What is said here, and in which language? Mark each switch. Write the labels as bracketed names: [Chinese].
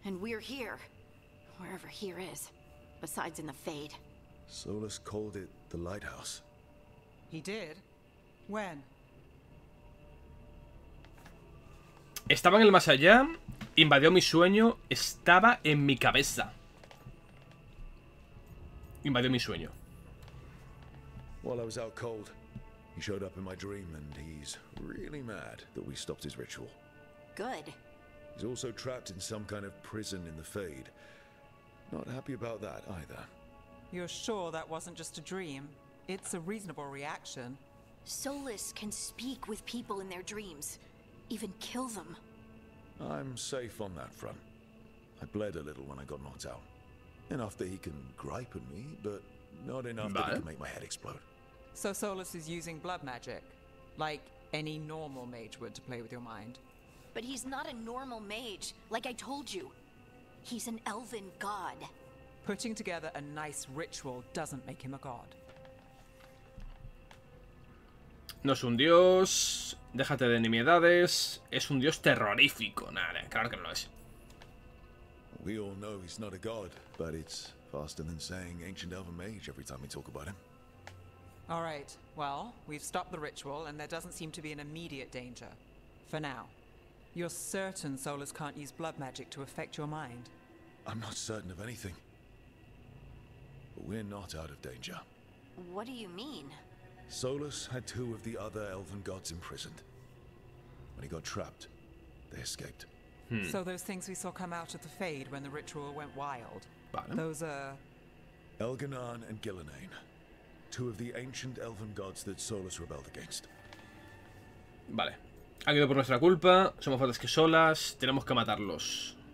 [English] And we're here. Wherever here is, besides in the fade. Solas called it the lighthouse. He did. When? [Spanish] Estaba en el más allá, invadió mi sueño, estaba en mi cabeza. Invadió mi sueño. [English] While I was out cold, he showed up in my dream and he's really mad that we stopped his ritual. Good. He's also trapped in some kind of prison in the fade. Not happy about that either. You're sure that wasn't just a dream? It's a reasonable reaction. Solas can speak with people in their dreams. Even kill them. I'm safe on that front. I bled a little when I got knocked out. Enough that he can gripe at me, but not enough that he can make my head explode. So Solas is using blood magic, like any normal mage would to play with your mind. But he's not a normal mage, like I told you. He's an elven god. Putting together a nice ritual doesn't make him a god. [Spanish] No es un dios, déjate de nimiedades, es un dios terrorífico. Nada, claro que no lo es. [English] We all know he's not a god, but it's faster than saying ancient elven mage every time we talk about him. All right. Well, we've stopped the ritual, and there doesn't seem to be an immediate danger. For now. You're certain Solas can't use blood magic to affect your mind? I'm not certain of anything. But we're not out of danger. What do you mean? Solas had two of the other elven gods imprisoned. When he got trapped, they escaped. So those things we saw come out of the Fade when the ritual went wild? Banham? Those are... Elginarn and Gilinane. Two of the ancient elven gods that Solas rebelled against. [Spanish] Vale. Han ido por nuestra culpa, somos fuertes que Solas, tenemos que matarlos.